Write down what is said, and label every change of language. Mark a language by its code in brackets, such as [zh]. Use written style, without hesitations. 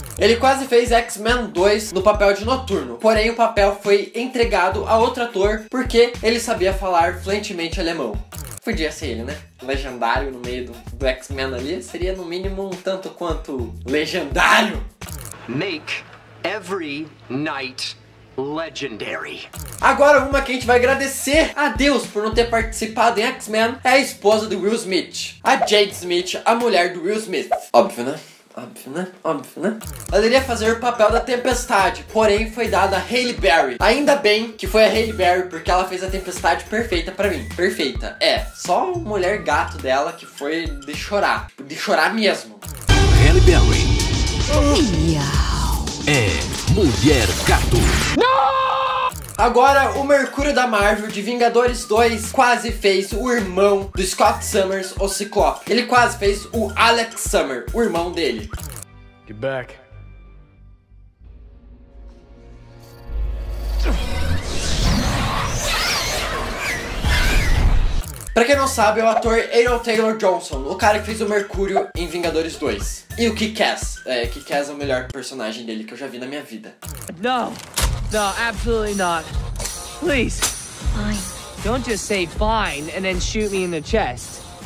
[pt] Ele quase fez X-Men 2 no papel de Noturno, porém o papel foi entregado a outro ator porque ele sabia falar fluentemente alemão. Podia ser ele, né? Legendário no meio do X-Men ali seria no mínimo um tanto quanto legendário. [en] Make every night legendary. [pt] Agora uma que a gente vai agradecer a Deus por não ter participado em X-Men é a esposa do Will Smith, a Jade Smith, a mulher do Will Smith. Óbvio, né? Óbvio, né? Óbvio, né? Ela iria fazer o papel da Tempestade, porém foi dada a Halle Berry. Ainda bem que foi a Halle Berry, porque ela fez a Tempestade perfeita pra mim. Perfeita. É, só a mulher gato dela que foi de chorar. De chorar mesmo. Halle Berry. É mulher gato. Não! Agora o Mercúrio da Marvel de Vingadores 2 quase fez o irmão do Scott Summers, o Ciclope. Ele quase fez o Alex Summer, o irmão dele. [en] Get back. [pt] Pra quem não sabe, é o ator Aaron Taylor-Johnson, o cara que fez o Mercúrio em Vingadores 2. E o Kick-Ass. É, Kick-Ass é o melhor personagem dele que eu já vi na minha vida. Não! Não, absolutamente não. Por favor. [en] Fine. Não just say fine and then shoot me in the chest.